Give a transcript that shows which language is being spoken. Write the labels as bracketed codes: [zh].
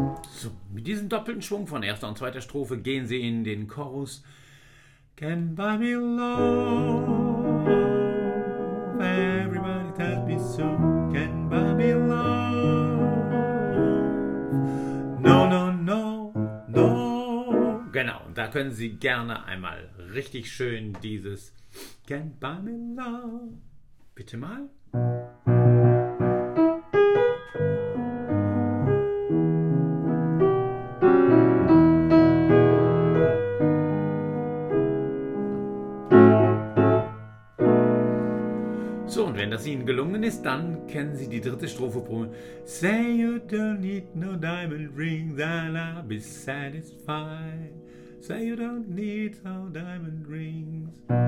[de] So, mit diesem doppelten Schwung von erster und zweiter Strophe gehen Sie in den Chorus. [en] Can't buy me love, everybody tells me so. Can't buy me love. No, no, no, no. [de] Genau, und da können Sie gerne einmal richtig schön dieses [en] Can't buy me love. [de] Bitte mal. So, und wenn das Ihnen gelungen ist, dann kennen Sie die dritte Strophe pro Minute. [en] Say you don't need no diamond ring, then I'll be satisfied. Say you don't need no diamond rings.